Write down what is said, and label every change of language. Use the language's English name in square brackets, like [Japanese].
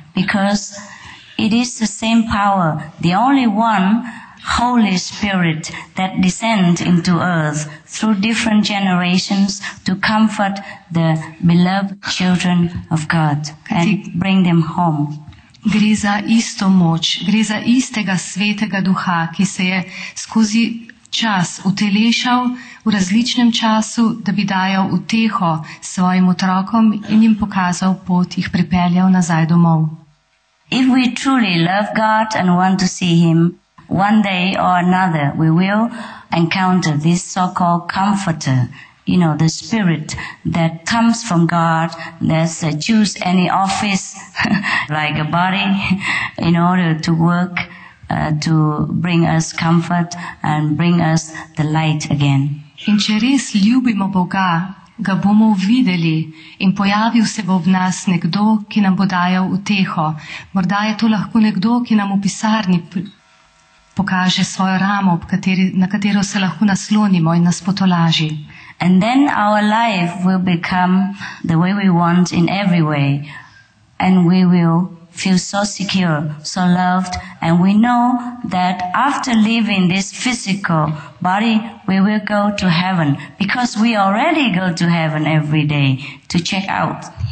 [English] Because it is the same power, the only one Holy Spirit that descend into earth through different generations to comfort the beloved children of God and bring them home. [Slovenian] Gre za isto moč, gre za istega svetega duha, ki se je skozi čas utelešal v različnem času, da bi dajal uteho svojim otrokom in jim pokazal pot, jih pripeljal nazaj domov. [English] If we truly love God and want to see him, one day or another, we will encounter this so-called comforter, you know, the spirit that comes from God, that's choose any office, like a body, in order to work, to bring us comfort and bring us the light again. [Slovenian] In če res ljubimo Boga, ga bomo videli in pojavil se bo v nas nekdo, ki nam bo dajal uteho. Morda je to lahko nekdo, ki nam v pisarni pokaže svojo ramo, na katero se lahko naslonimo in nas potolaži. [English] And then our life will become the way we want in every way, and we will feel so secure, so loved, and we know that after leaving this physical body, we will go to heaven, because we already go to heaven every day to check out.